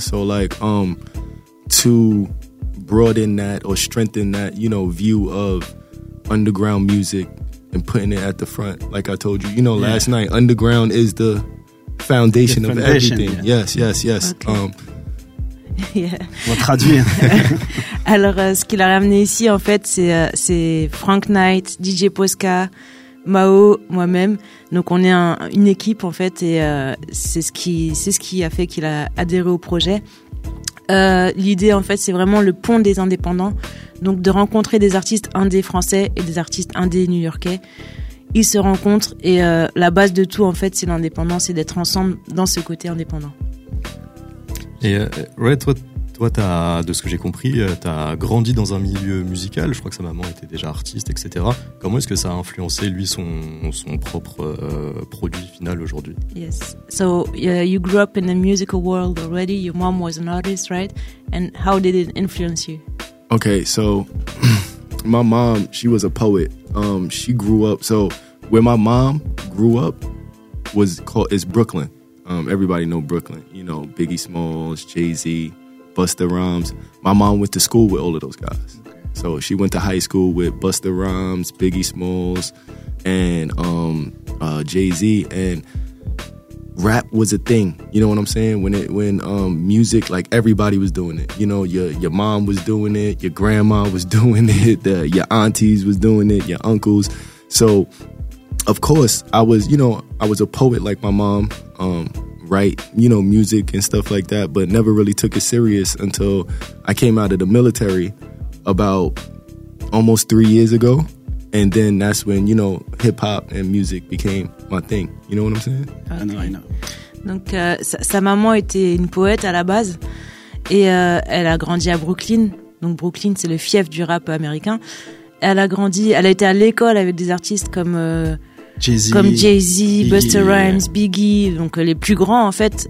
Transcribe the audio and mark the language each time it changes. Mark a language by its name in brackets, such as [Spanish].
[English] So like, to broaden that or strengthen that, you know, view of underground music and putting it at the front. Like I told you, you know, last night, underground is the foundation of everything. Yeah. Yes. Okay. [French] On va traduire. Alors, ce qu'il a ramené ici, en fait, c'est Frank Knight, DJ Poska, Mao, moi-même. Donc, on est une équipe, en fait, et c'est ce qui a fait qu'il a adhéré au projet. L'idée, en fait, c'est vraiment le pont des indépendants, donc de rencontrer des artistes indés français et des artistes indés new-yorkais. Ils se rencontrent et la base de tout, en fait, c'est l'indépendance et d'être ensemble dans ce côté indépendant. Et Ray, toi, de ce que j'ai compris, t'as grandi dans un milieu musical. Je crois que sa maman était déjà artiste, etc. Comment est-ce que ça a influencé, lui, son propre produit final aujourd'hui? [English] Yes. So, you grew up in a musical world already. Your mom was an artist, right? And how did it influence you? Okay, so, my mom, she was a poet. She grew up, so, where my mom grew up is Brooklyn. Everybody know Brooklyn. You know, Biggie Smalls, Jay-Z, Busta Rhymes. My mom went to school with all of those guys. So she went to high school with Busta Rhymes, Biggie Smalls, and Jay-Z. And rap was a thing. You know what I'm saying? When music, like, everybody was doing it. You know, your mom was doing it, your grandma was doing it, your aunties was doing it, your uncles. So, of course, I was a poet like my mom, write, you know, music and stuff like that, but never really took it serious until I came out of the military about almost 3 years ago. And then that's when, you know, hip hop and music became my thing. You know what I'm saying? Okay. I know. [French] Donc sa maman était une poète à la base et elle a grandi à Brooklyn. Donc Brooklyn, c'est le fief du rap américain. Elle a grandi, elle a été à l'école avec des artistes comme Jay-Z, Busta Rhymes, Biggie, donc les plus grands en fait.